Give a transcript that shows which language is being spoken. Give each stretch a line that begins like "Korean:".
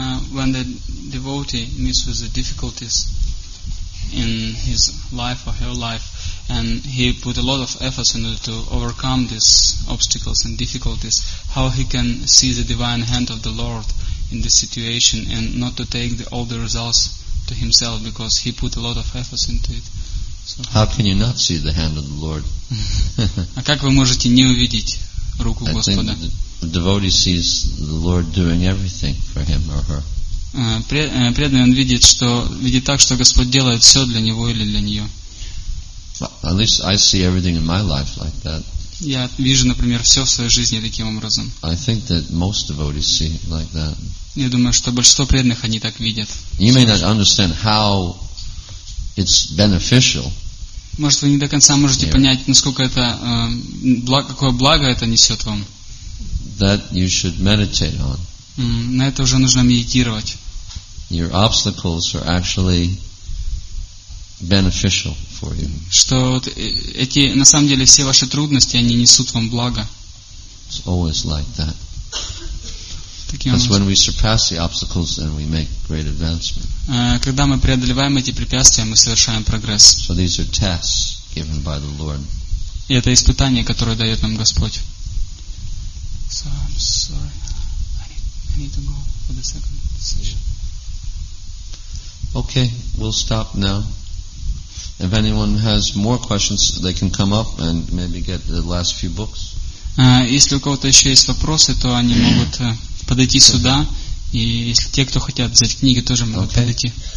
English: When the devotee meets with the difficulties in his life or her life, and he put a lot of efforts in order to overcome these obstacles and difficulties, how he can see the divine hand of the Lord in this situation and not to take all the results to himself because he put a lot of efforts into it. So how can you not see the hand of the Lord?
Russian: А как вы можете не увидеть руку Господа?
English: The devotee sees the Lord doing everything for him or her.
Russian: Преданный он видит, что видит так, что Господь делает все для него или для нее.
English: At least I see everything in my life like that.
Russian: Я вижу, например, все в своей жизни таким образом.
English: I think that most devotees see like that.
Russian: Я думаю, что большинство преданных они так видят.
English: You may not understand how it's beneficial.
Russian: Может, вы не до конца можете понять, насколько это какое благо это несет вам.
English: That you should meditate on.
Russian: На это уже нужно медитировать.
English: Your obstacles are actually beneficial for you.
Russian: Что эти на самом деле все ваши трудности они несут вам благо.
English: It's always like that. Because when we surpass the obstacles, then we make great advancement.
Russian: Когда мы преодолеваем эти препятствия, мы совершаем прогресс.
English: So these are tests given by the Lord.
Russian: И это испытание, которое дает нам Господь.
English: So I'm sorry. I need to go for the second session. Okay, we'll stop now. If anyone has more questions, they can come up and maybe get the last few books.
Russian: Если у кого-то еще есть вопросы, то они могут подойти сюда И если те, кто хотят взять книги, тоже могут подойти.